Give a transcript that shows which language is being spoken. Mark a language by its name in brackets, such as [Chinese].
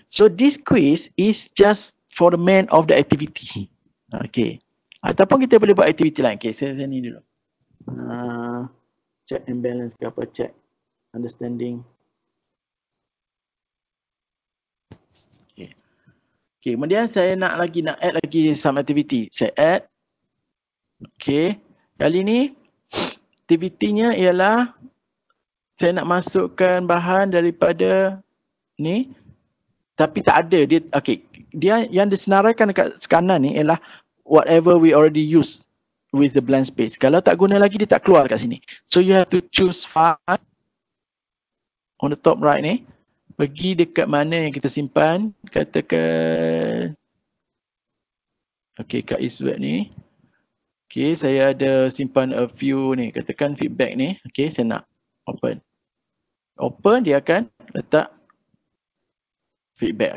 [English] So, this quiz is just for the main of the activity. Okay. [Malay] Ataupun kita boleh buat activity lain. Okay. Saya ni dulu. [English] Check and balance ke apa, check understanding. [Malay] Okay. Okay, kemudian saya nak lagi, nak add lagi some activity. Saya add. Okay. Kali ni, activity-nya ialah saya nak masukkan bahan daripada ni. Tapi tak ada. Dia, okay. Dia yang disenaraikan dekat kanan ni ialah whatever we already use with the blank space. Kalau tak guna lagi, dia tak keluar kat sini. [English] So you have to choose file on the top right ni. [Malay] Pergi dekat mana yang kita simpan. Katakan okay, kat isweb ni. Ok, Okay, saya ada simpan a few ni. Katakan feedback ni. Okay, saya nak open. Open, dia akan letak feedback.